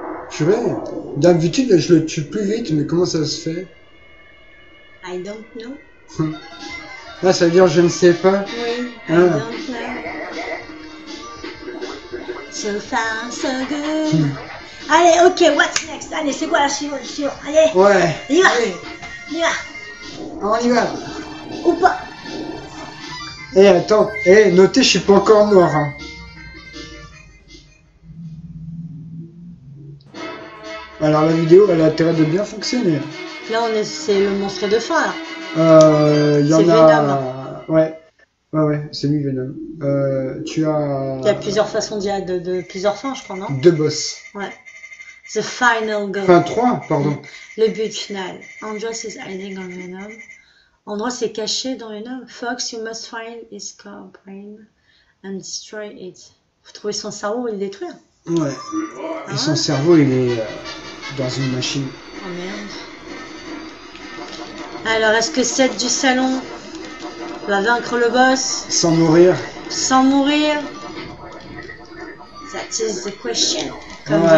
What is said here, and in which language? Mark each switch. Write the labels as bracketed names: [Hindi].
[French] Tu vois, d'habitude je le tue plus vite, mais comment ça se fait? [English] I don't know. [French] Là, ça veut dire je ne sais pas. [English] Oui, I don't know. So far, so good. [French] Allez, [English] ok, what's next? [French] Allez, c'est quoi la suivante? Allez, ouais. Y va. Allez. Y va. On y va. Ou pas. Eh, attends. Eh, notez, je suis pas encore mort. Hein. Alors, la vidéo, elle a intérêt de bien fonctionner. Là, on est, c'est le monstre de phare. Il y en a... Venom. Ouais. Ouais, ouais, c'est lui, Venom. Tu as... Il y a plusieurs façons d'y aller, de plusieurs fins, je crois, non ? Deux boss. [English] Ouais. The final goal. [French] Enfin, trois, pardon. Le but final. [English] Andros is hiding on Venom. [French] Andros est caché dans Venom. [English] Fox, you must find his core brain and destroy it. [French] Vous trouvez son cerveau et le détruire ? Ouais. Et son cerveau, il est dans une machine. Oh merde. Alors, est-ce que cette du salon va vaincre le boss ? Sans mourir. Sans mourir. [English] That is the question. [French] Comme ouais.